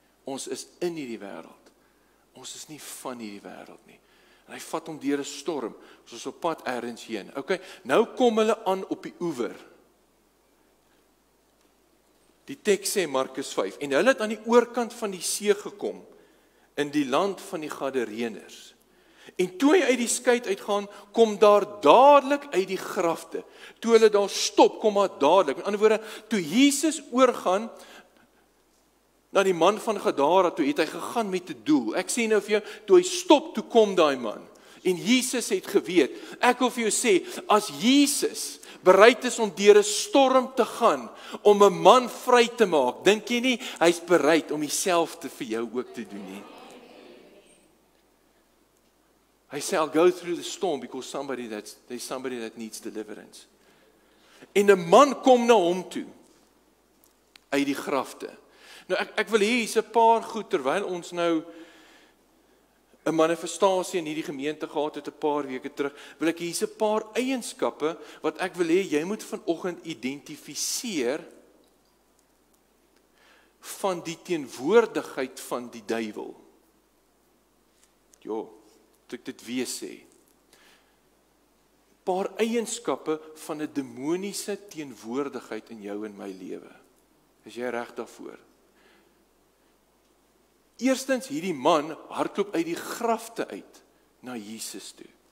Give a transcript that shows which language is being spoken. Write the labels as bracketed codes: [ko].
[af] Ons is in hierdie wêreld, ons is nie van hierdie wêreld nie. En hy vat hom deur 'n storm, ons is op pad ergens heen. Okay, nou kom hulle aan op die oewer. Die teks sê Markus 5, en hulle het aan die oorkant van die see gekom, in die land van die Gadareners. En toe hy uit die skuit uitgaan, kom daar dadelijk uit die grafte. Toe hulle daar stop, kom daar dadelijk. Met ander woorde, toe Jesus oorgaan, na die man van Gadara, toe het hy gegaan met die doel. Ek sê nou vir jou, toe hy stop, toe kom daai man. En Jesus het geweet, ek wil vir jou sê, as Jesus bereid is om deur 'n storm te gaan, om 'n man vry te maak, dink jy nie, hy is bereid om dieselfde vir jou ook te doen nie. Hy sê, [en] I'll go through the storm because there's somebody that needs deliverance. [af] En 'n man kom na hom toe, uit die grafte. Nou ek wil hê hier's 'n paar goed, terwyl ons nou 'n manifestasie in hierdie gemeente gehad het 'n paar weke terug, wil ek hier's 'n paar eienskappe wat ek wil hê jy moet vanoggend identifiseer van die teenwoordigheid van die duiwel. Jo, ek dit weer sê. Paar eienskappe van 'n demoniese teenwoordigheid in jou en my lewe. Is jy reg daarvoor? Eerstens, hierdie man hardloop uit die grafte uit na Jesus toe.